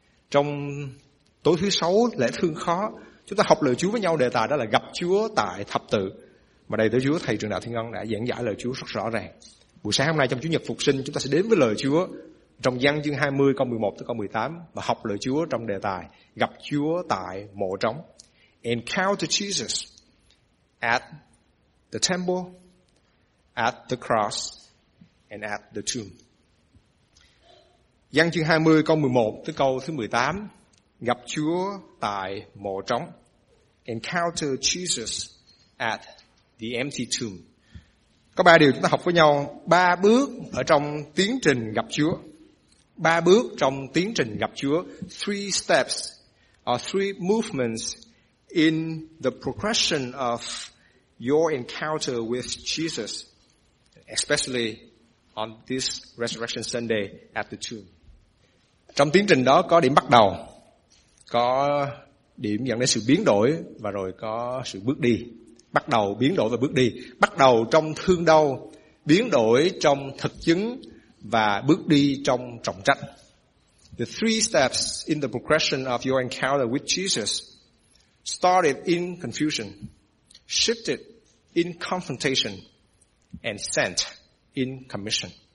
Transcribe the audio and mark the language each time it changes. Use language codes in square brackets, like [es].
[vi] Trong tối thứ sáu lễ thương khó, chúng ta học lời Chúa với nhau đề tài đó là gặp Chúa tại thập tự. Mà đây tới Chúa thầy Truyền Đạo Thiên Ân đã giảng giải lời Chúa rất rõ ràng. Buổi sáng hôm nay trong Chủ nhật phục sinh, chúng ta sẽ đến với lời Chúa trong Giăng chương 20 câu 11 tới câu 18 và học lời Chúa trong đề tài gặp Chúa tại mộ trống. [en] Encounter Jesus at the temple, at the cross and at the tomb. [vi] Giăng chương 20 câu 11 tới câu thứ 18, gặp Chúa tại mộ trống. [en] Encounter Jesus at the empty tomb. [vi] Có ba điều chúng ta học với nhau, ba bước ở trong tiến trình gặp Chúa. Ba bước trong tiến trình gặp Chúa. [en] Three steps or three movements in the progression of your encounter with Jesus, especially on this Resurrection Sunday at the tomb. [vi] Trong tiến trình đó có điểm bắt đầu, có điểm dẫn đến sự biến đổi và rồi có sự bước đi. bắt đầu biến đổi và bước đi. Bắt đầu trong thương đau, biến đổi trong thực chứng và bước đi trong trọng trách. [en] The three steps in the progression of your encounter with Jesus started in confusion, shifted in confrontation, and sent in commission.